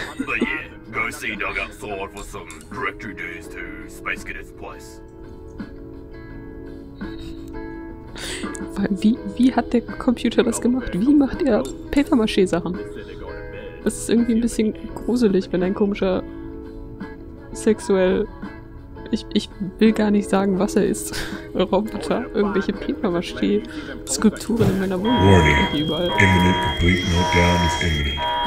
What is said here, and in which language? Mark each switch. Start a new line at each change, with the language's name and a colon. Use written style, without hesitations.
English: But yeah, go see Doug outside for some directory dues to Space Cadet's place.
German: Wie hat der Computer das gemacht? Wie macht er Papier-Mâché-Sachen? Das ist irgendwie ein bisschen gruselig, wenn ein komischer sexuell... Ich will gar nicht sagen, was er ist. Roboter, irgendwelche Papier-Mâché-Skulpturen in meiner Wohnung.
English: Warning. Imminent complete meltdown is imminent.